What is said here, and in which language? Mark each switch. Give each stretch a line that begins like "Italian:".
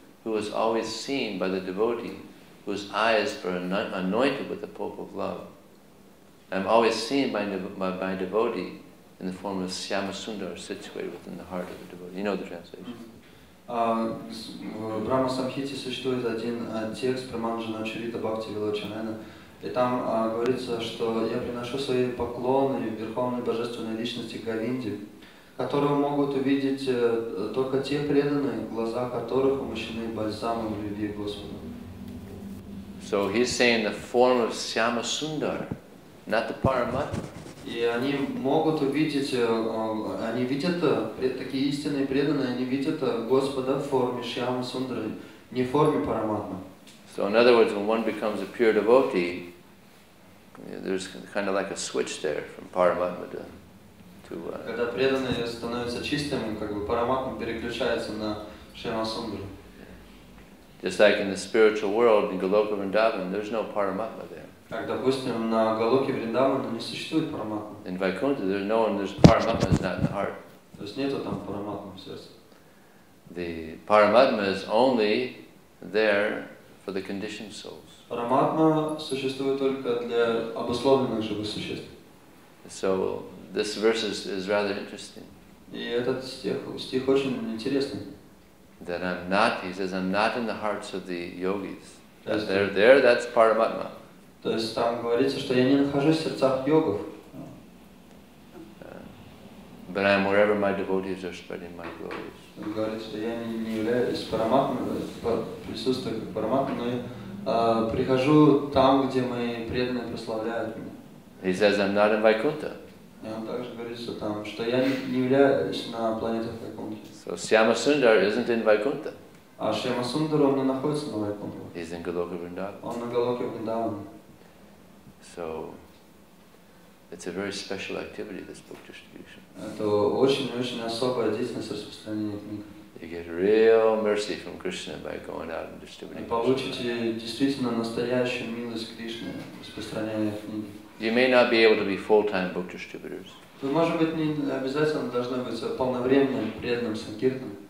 English: who was always seen by the devotee, whose eyes were anointed with the pope of love. I'm always seen by devotee in the form of Syamasundar, situated within the heart of the devotee. You know the translation. Mm-hmm.
Russian: В Брама Самхите существует один текст про Манджана Чурита Бхакти Вилочанена, и там говорится, что я приношу свои поклоны Верховной Божественной Личности Говинде, которую могут увидеть только те преданные, глаза которых умощены бальзамом любви Господа.
English: So he's saying the form of Syamasundara, not the Paramatma.
Russian: И они могут увидеть, они видят такие истинные преданные, они видят Господа в форме Шьяма Сундры, не в форме Параматмы.
English: So in other words, when one becomes a pure devotee, there's kind of like a switch there from Paramatma to.
Russian: Когда преданные становятся чистыми, как бы Параматма переключается на Шьяма Сундру.
English: Just like in the spiritual world, in Галока Вриндаван, there's no Paramatma there.
Russian: Так, допустим, на Галоке Вриндавана не существует параматма.
English: In Vaikuntha, there's no one, there's Paramatma is not in the heart.
Russian: То есть нету там параматмы в сердце.
English: The Paramatma is only there for the conditioned souls.
Russian: Параматма существует только для обусловленных живых существ.
English: So this verse is rather interesting.
Russian: И этот стих очень интересный.
English: That I'm not, he says, I'm not in the hearts of the yogis. They're there, that's Paramatma.
Russian: То есть там говорится, что я не нахожусь в сердцах йогов.
English: But I'm wherever my devotees are spreading my glories.
Russian: Говорит, что я не являюсь Параматмой, присутствую как Параматма, но я прихожу там, где мои преданные прославляют меня.
English: He says, I'm not in Vaikuntha.
Russian: И он также говорит, что там, что я не являюсь на планетах Вайкунтхи.
English: So Syamasundara isn't in Vaikuntha.
Russian: А Syamasundara, он не находится на Вайкунтхе.
English: He's in Галоке Вриндаван.
Russian: Он на Галоке Вриндаване.
English: So it's a very special activity, this book distribution.
Russian: Это очень очень особая деятельность распространения книг.
English: You get real mercy from Krishna by going out and distributing.
Russian: И получите действительно настоящую милость Кришны распространяя книги.
English: You may not be able to be full-time book distributors.
Russian: Вы, может быть, не обязательно должны быть полновременным преданным санкиртаном.